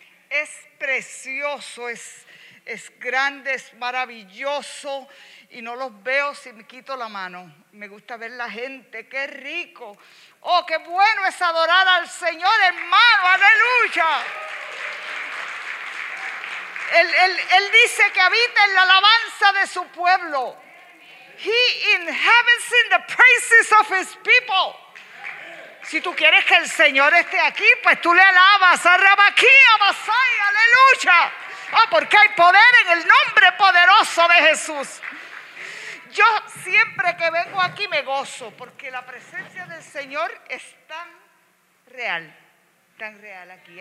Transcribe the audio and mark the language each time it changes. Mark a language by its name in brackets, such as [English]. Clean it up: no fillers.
[Spanish] Es precioso, es grande, es maravilloso, y no los veo si me quito la mano. Me gusta ver la gente, qué rico. Oh, qué bueno es adorar al Señor, hermano, aleluya. Él dice que habita en la alabanza de su pueblo. [English] He inhabits in the praises of his people. [Spanish] Si tú quieres que el Señor esté aquí, pues tú le alabas. Arrabaquí, abasai, aleluya. Ah, porque hay poder en el nombre poderoso de Jesús. Yo siempre que vengo aquí me gozo, porque la presencia del Señor es tan real aquí.